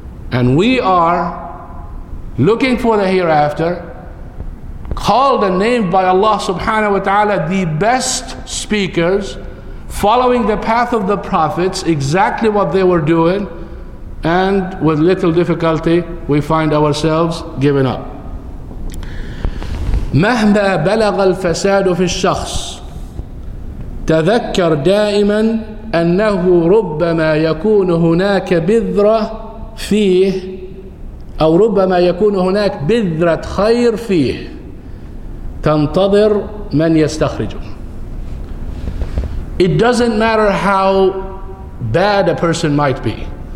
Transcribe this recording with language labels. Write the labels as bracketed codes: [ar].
[en] And we are looking for the hereafter, called and named by Allah subhanahu wa ta'ala the best speakers, following the path of the prophets, exactly what they were doing, and with little difficulty we find ourselves giving up. [ar] مهما بلغ الفساد في الشخص تذكر دائما أنه ربما يكون هناك بذرة فيه أو ربما يكون هناك بذرة خير فيه تنتظر من يستخرجه. [en] It doesn't matter how bad a person might be.